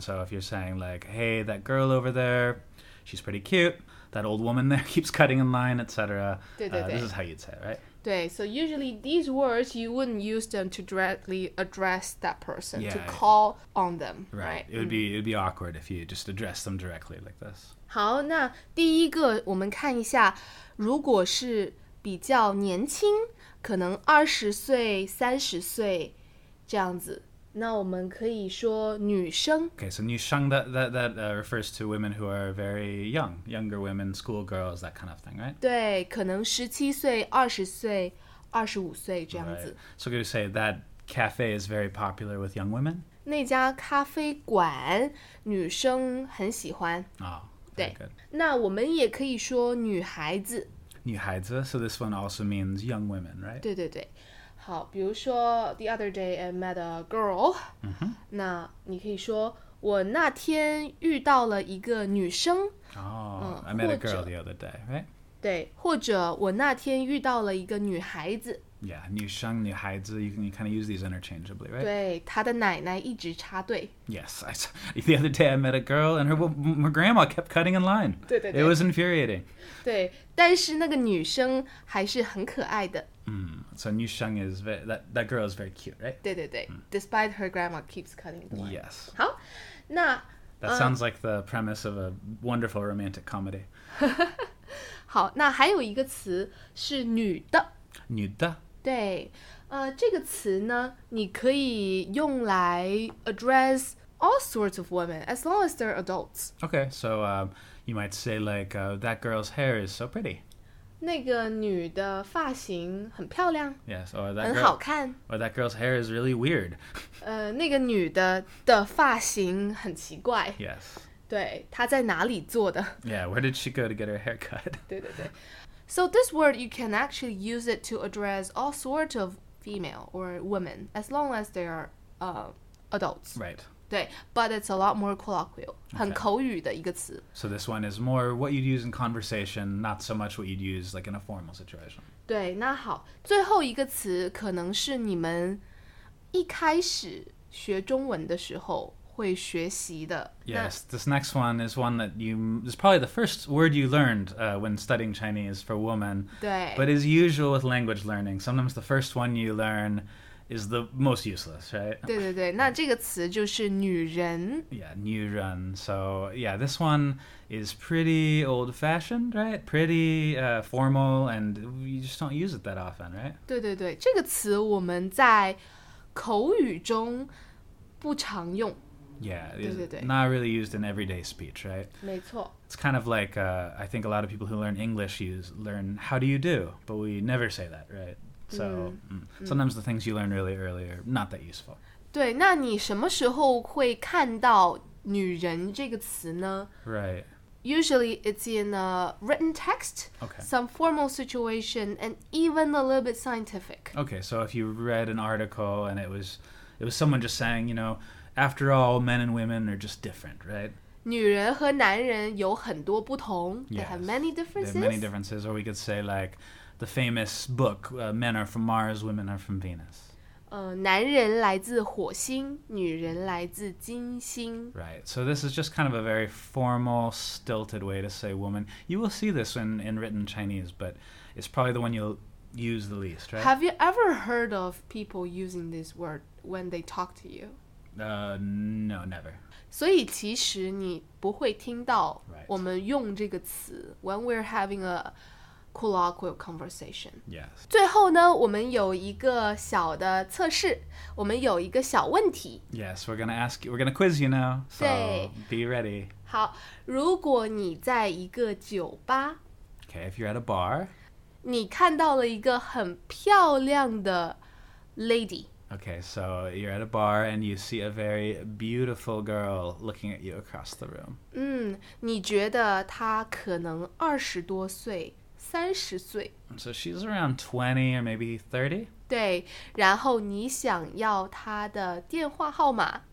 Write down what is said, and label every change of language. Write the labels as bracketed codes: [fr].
[en] So if you're saying like, hey, that girl over there, she's pretty cute. That old woman there keeps cutting in line, etc. [zh] 对对对。 [en] This is how you'd say it, right? 对, so usually these words, you wouldn't use them to directly address that person, yeah, to call on them, right? It would be awkward if you just address them directly like this. [zh] 好，那第一个我们看一下，如果是比较年轻，可能20岁、30岁这样子，那我们可以说女生。 [en] Okay, so 女生 that refers to women who are very young, younger women, schoolgirls, that kind of thing, right? [zh] 对，可能17岁、20岁、25岁这样子。 [en] Right. So could you say that cafe is very popular with young women? [zh] 那家咖啡馆女生很喜欢。 [en] Oh, very good. [zh] 那我们也可以说女孩子。 [en] 女孩子 ，so this one also means young women, right? 对对对。 [zh] 好，比如说 [en] the other day I met a girl、 mm-hmm. [zh] 那你可以说我那天遇到了一个女生。 [en] I met a girl the other day, right? [zh] 对，或者我那天遇到了一个女孩子。 [en] Yeah, 女生、女孩子 you kind of use these interchangeably, right? [zh] 对，她的奶奶一直插队。 [en] Yes, the other day I met a girl and my grandma kept cutting in line. [zh] 对对对。 [en] It was infuriating. [zh] 对，但是那个女生还是很可爱的。 [en] So 女生 is very, that girl is very cute, right? 对对对、despite her grandma keeps cutting the line. Yes. [zh] 好，那 [en] That sounds like the premise of a wonderful romantic comedy. [zh] 好，那还有一个词是女的。女的。对，这个词呢，你可以用来 [en] address all sorts of women, as long as they're adults. Okay, so you might say like, that girl's hair is so pretty. [zh] 那个女的发型很漂亮。 [en] Yes, or that girl, [zh] 很好看。 [en] Or that girl's hair is really weird. [zh] 那个女的发型很奇怪。 [en] Yes. [zh] 对，她在哪里做的？ [en] Yeah, where did she go to get her hair cut? [zh] 对对对。 [en] So this word, you can actually use it to address all sorts of female or women, as long as they are adults. Right. 对, but it's a lot more colloquial, okay. [zh] 很口语的一个词。 [en] So this one is more what you'd use in conversation, not so much what you'd use like in a formal situation. [zh] 对，那好，最后一个词可能是你们一开始学中文的时候会学习的。 [en] Yes, this next one is one that you, is probably the first word you learned when studying Chinese for woman. [zh] 对。 [en] But as usual with language learning, sometimes the first one you learn is the most useless, right? [zh] 对对对，那这个词就是女人。 [en] Yeah, 女人。 So, yeah, this one is pretty old-fashioned, right? Pretty formal, and you just don't use it that often, right? [zh] 对对对，这个词我们在口语中不常用。 [en] Yeah, [zh] 对对对。 [en] Not really used in everyday speech, right? [zh] 没错。 [en] It's kind of like, I think a lot of people who learn English learn how do you do, but we never say that, right? So, sometimes the things you learn really early are not that useful. [zh] 对，那你什么时候会看到女人这个词呢？ [en] Right. Usually it's in a written text, okay. Some formal situation, and even a little bit scientific. Okay, so if you read an article and it was someone just saying, you know, after all, men and women are just different, right? [zh] 女人和男人有很多不同。 [en] Yes. They have many differences. They have many differences, or we could say like, the famous book, Men Are From Mars, Women Are From Venus. [zh] 男人来自火星，女人来自金星。 [en] Right, so this is just kind of a very formal, stilted way to say woman. You will see this in written Chinese, but it's probably the one you'll use the least, right? Have you ever heard of people using this word when they talk to you? No, never. [zh] 所以其实你不会听到我们用这个词 [en] when we're having a colloquial conversation. Yes. [zh] 最后呢，我们有一个小的测试，我们有一个小问题。 [en] Yes, we're gonna ask you, we're gonna quiz you now. So, be ready. [zh] 好，如果你在一个酒吧。 [en] Okay, if you're at a bar. [zh] 你看到了一个很漂亮的 lady。 [en] Okay, so you're at a bar and you see a very beautiful girl looking at you across the room. [zh] 你觉得她可能二十多岁，三十岁。 [en] So she's around 20 or maybe 30? [zh] 对，然后你想要她的电话号码。